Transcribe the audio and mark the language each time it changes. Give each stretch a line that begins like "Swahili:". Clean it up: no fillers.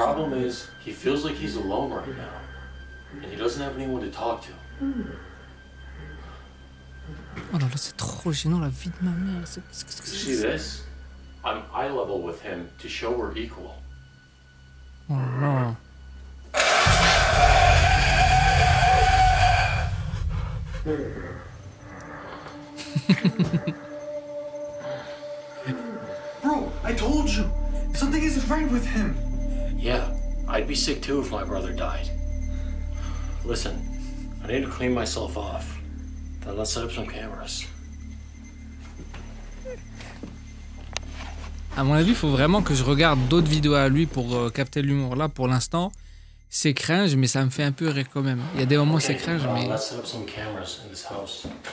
English: Problem is, he feels like he's alone right now, and he doesn't have anyone to talk to.
French: Oh là là, c'est trop gênant la vie de ma mère. C'est...
English: See this? I'm eye level with him to show we're equal.
French: Oh là.
English: Bro, I told you, something isn't right with him. Yeah, I'd be sick too if my brother died. Listen, I need to clean myself off. Then let's set up some cameras.
French: À mon avis, il faut vraiment que je regarde d'autres vidéos à lui pour capter l'humour. Là, pour l'instant, c'est cringe, mais ça me fait un peu rire quand même. Il y a des moments où c'est cringe, mais...
English: Let's set up some cameras in this house.